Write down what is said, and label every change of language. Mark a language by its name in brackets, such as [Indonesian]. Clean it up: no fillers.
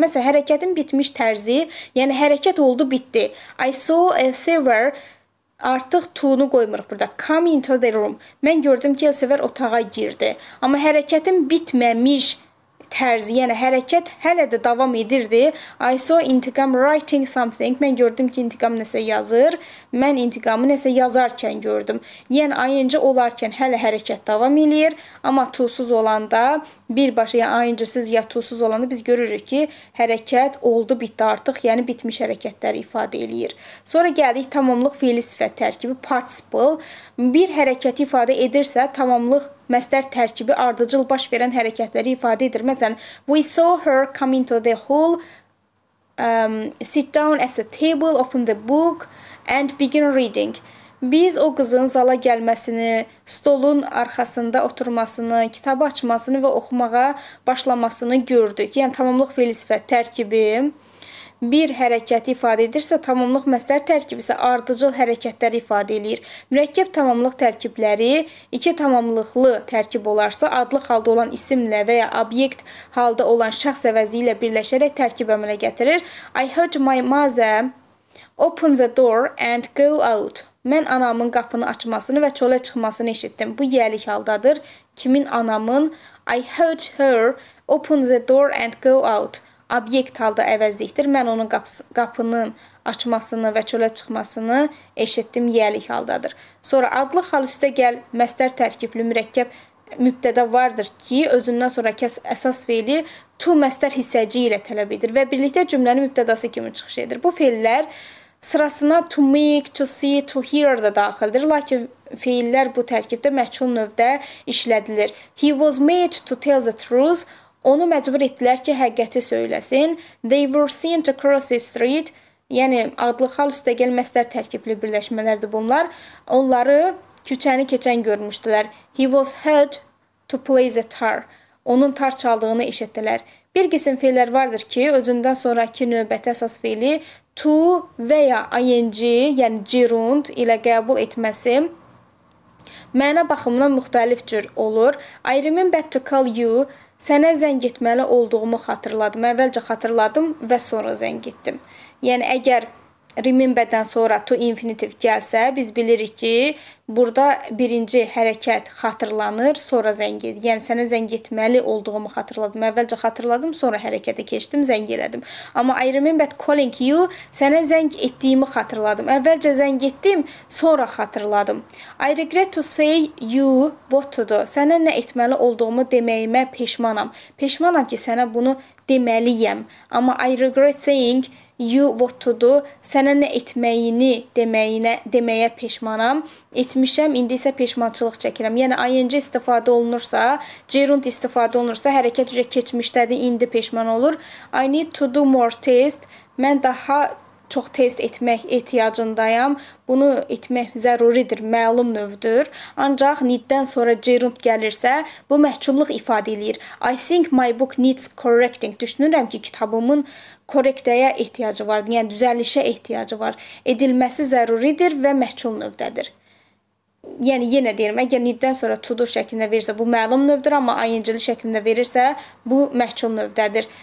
[Azerbaijani] Məsələn, hərəkətin bitmiş tərzi, yəni hərəkət oldu, bitdi. [English] I saw a server. [Azerbaijani] Artıq to-nu qoymuruq burada. [English] Come into the room. [Azerbaijani] Mən gördüm ki, Elsevier otağa girdi. Amma hərəkətin bitməmiş tərzi, yəni hərəkət hələ də davam edirdi. [English] I saw intiqam writing something. [Azerbaijani] Mən gördüm ki, intiqam nəsə yazır. Mən intiqamı nəsə yazarkən gördüm. Yəni, ayıncı olarkən hələ hərəkət davam edir. Amma to-suz olanda, birbaşa ya ayıncısız ya to-suz olanda biz görürük ki, hərəkət oldu, bitdi artıq. Yəni, bitmiş hərəkətləri ifadə edir. Sonra gəldik tamamlıq fiili sifət tərkibi, participle. Bir hərəkəti ifadə edirsə, tamamlıq məsdər tərkibi ardıcıl baş verən hərəkətləri ifadə edir. [English] Məsələn, we saw her come into the hall, sit down at the table, open the book and begin reading. [Azerbaijani] Biz o qızın zala gəlməsini, stolun arxasında oturmasını, kitabı açmasını və oxumağa başlamasını gördük. Yəni, tamamlıq fiili sifət tərkibi bir hərəkəti ifadə edirsə, tamamlıq məsdər tərkibi isə ardıcıl hərəkətləri ifadə edir. Mürəkkəb tamamlıq tərkibləri iki tamamlıqlı tərkib olarsa, adlı halda olan isimlə və ya obyekt halda olan şəxs əvəzi ilə birləşərək tərkib əmələ gətirir. [English] I heard my mother open the door and go out. [Azerbaijani] Mən anamın qapını açmasını və çölə çıxmasını eşitdim. Bu yəlik haldadır. Kimin anamın? [English] I heard her open the door and go out. [Azerbaijani] Obyekt halda əvəzlikdir. Mən onun qapının açmasını və çölə çıxmasını eşitdim. Yəlik haldadır. Sonra adlı hal üstə gəl məsdər tərkibli mürəkkəb mübtədə vardır ki, özündən sonra kəs əsas fiili to məsdər hissəci ilə tələb edir və birlikdə cümlənin mübtədası kimi çıxış edir. Bu fiillər sırasına to make, to see, to hear da daxildir. Lakin fiillər bu tərkibdə məçhul növdə işlədilir. [English] He was made to tell the truth. [Azerbaijani] Onu məcbur etdilər ki, həqiqəti söyləsin. [English] They were seen to cross the street. [Azerbaijani] Yəni, adlı hal üstə gəl məsdər tərkibli birləşmələrdir bunlar. Onları küçəni keçən görmüşdülər. [English] He was heard to play the tar. [Azerbaijani] Onun tar çaldığını eşitdilər. Bir qisim fiillər vardır ki, özündən sonraki növbəti əsas fiili to və ya ing, yəni gerund ilə qəbul etməsi Məna baxımından müxtəlif cür olur. [English] I remember to call you. [Azerbaijani] Sənə zəng etməli olduğumu xatırladım. Əvvəlcə xatırladım və sonra zəng etdim. Yəni, əgər remember-dən sonra to infinitive gəlsə, biz bilirik ki, burada birinci hərəkət xatırlanır, sonra zəng edir. Yəni, sənə zəng etməli olduğumu xatırladım. Əvvəlcə xatırladım, sonra hərəkətə keçdim, zəng elədim. Amma [English] I remember calling you, [Azerbaijani] sənə zəng etdiyimi xatırladım. Əvvəlcə zəng etdim, sonra xatırladım. [English] I regret to say you what to do. [Azerbaijani] Sənə nə etməli olduğumu deməyimə peşmanam. Peşmanam ki, sənə bunu deməliyəm. [English] Amma I regret saying you what to do, [Azerbaijani] sənə nə etməyini deməyə peşmanam. Etmişəm, indi isə peşmançılıq çəkirəm. Yəni, ing istifadə olunursa, gerund istifadə olunursa, hərəkət üzrə keçmişdədir, indi peşman olur. [English] I need to do more test. [Azerbaijani] Mən daha çox test etmək ehtiyacındayım. Bunu etmək zəruridir, məlum növdür. Ancaq need-dən sonra gerund gəlirsə, bu məhçulluq ifadə edir. [English] I think my book needs correcting. [Azerbaijani] Düşünürəm ki, kitabımın korrektəyə ehtiyacı var, yəni düzəlişə ehtiyacı var. Edilməsi zəruridir və məhçul növdədir. Yəni, yenə deyirəm, əgər need-dən sonra to-do şəklində verirsə, bu məlum növdür, amma ing-li şəklində verirsə, bu məhçul növdədir.